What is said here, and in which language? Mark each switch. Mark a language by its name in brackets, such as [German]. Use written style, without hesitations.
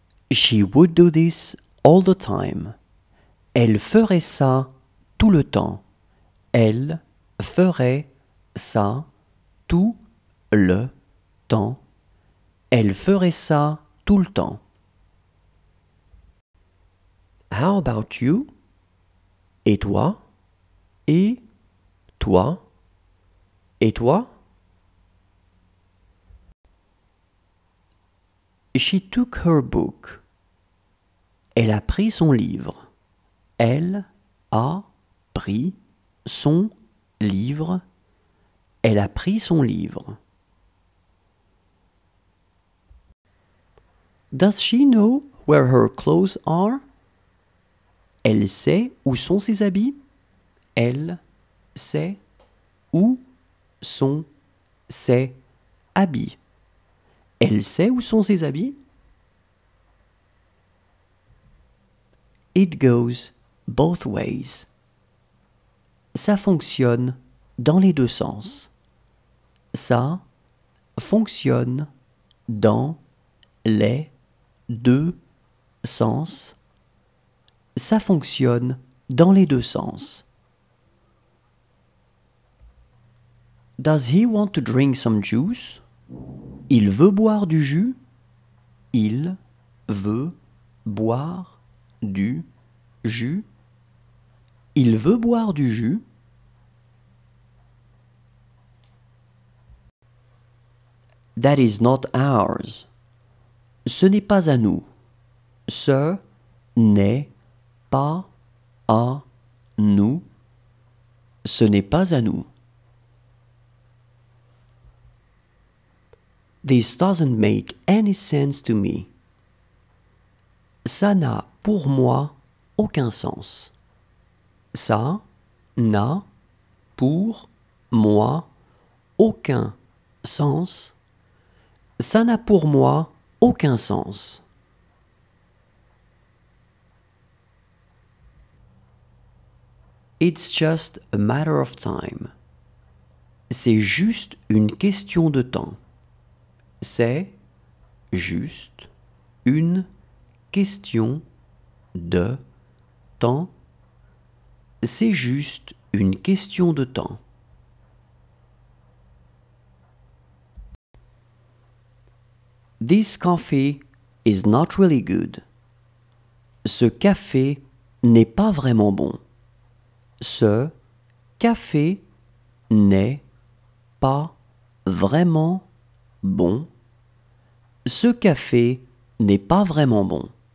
[English] She would do this all the time. [French] Elle ferait ça tout le temps. Elle ferait ça tout le temps. Elle ferait ça tout le temps. [English] How about you? [French] Et toi? Et toi? Et toi? [English] She took her book. [French] Elle a pris son livre. Elle a pris son livre. Elle a pris son livre. [English] Does she know where her clothes are? [French] Elle sait où sont ses habits? Elle sait où sont ses habits? Elle sait où sont ses habits? [English] It goes both ways. [French] Ça fonctionne dans les deux sens. Ça fonctionne dans les deux sens. Ça fonctionne dans les deux sens. [English] Does he want to drink some juice? [French] Il veut boire du jus. Il veut boire du jus. Il veut boire du jus. [English] That is not ours. [French] Ce n'est pas à nous. Ce n'est pas à nous. Ce n'est pas à nous. [English] This doesn't make any sense to me. [French] Ça n'a pour moi aucun sens. Ça n'a pour moi aucun sens. Ça n'a pour moi aucun sens. [English] It's just a matter of time. [French] C'est juste une question de temps. C'est juste une question de temps. C'est juste une question de temps. [English] This coffee is not really good. [French] Ce café n'est pas vraiment bon. Ce café n'est pas vraiment bon. Ce café n'est pas vraiment bon.